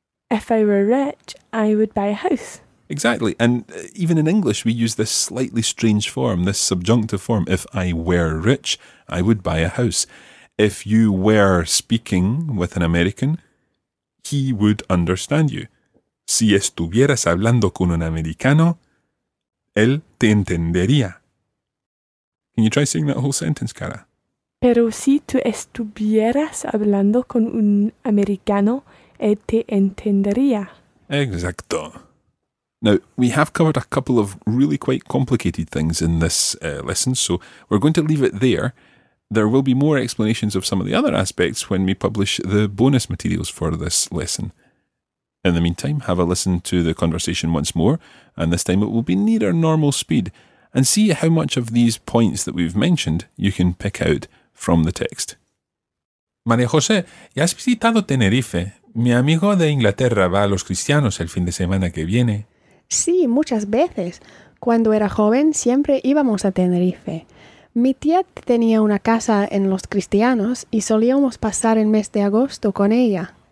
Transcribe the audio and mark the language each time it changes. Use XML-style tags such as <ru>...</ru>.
<en>If I were rich, I would buy a house. Exactly. And even in English, we use this slightly strange form, this subjunctive form. If I were rich, I would buy a house. If you were speaking with an American, he would understand you.</en> <es>Si estuvieras hablando con un americano, él te entendería.</es> <en>Can you try saying that whole sentence, Cara?</en> <es>Pero si tú estuvieras hablando con un americano, él te entendería. Exacto.</es> <en>Now, we have covered a couple of really quite complicated things in this lesson, so we're going to leave it there. There will be more explanations of some of the other aspects when we publish the bonus materials for this lesson. In the meantime, have a listen to the conversation once more, and this time it will be near normal speed. And see how much of these points that we've mentioned you can pick out from the text.</en> <es>María José, ¿ya has visitado Tenerife? Mi amigo de Inglaterra va a los cristianos el fin de semana que viene. Sí, muchas veces. Cuando era joven siempre íbamos a Tenerife. Mi tía tenía una casa en los cristianos y solíamos pasar el mes de agosto con ella.</es>